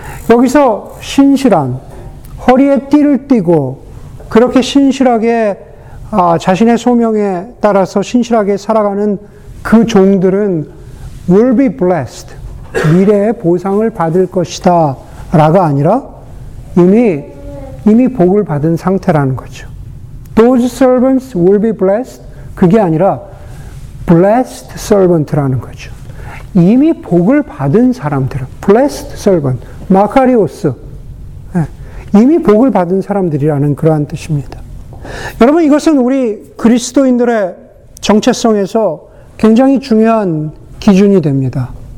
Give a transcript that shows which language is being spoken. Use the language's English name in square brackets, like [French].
[Korean] 여기서 신실한, 허리에 띠를 띠고 그렇게 신실하게 자신의 소명에 따라서 신실하게 살아가는 그 종들은 [English] will be blessed, [Korean] 미래의 보상을 받을 것이다 라가 아니라 이미 복을 받은 상태라는 거죠. [English] Those servants will be blessed. [Korean] 그게 아니라 [English] blessed servant [Korean] 라는 거죠. 이미 복을 받은 사람들, [English] blessed servant, [Korean] 마카리오스, 이미 복을 받은 사람들이라는 그러한 뜻입니다. 여러분, 이것은 우리 그리스도인들의 정체성에서 굉장히 중요한 기준이 됩니다.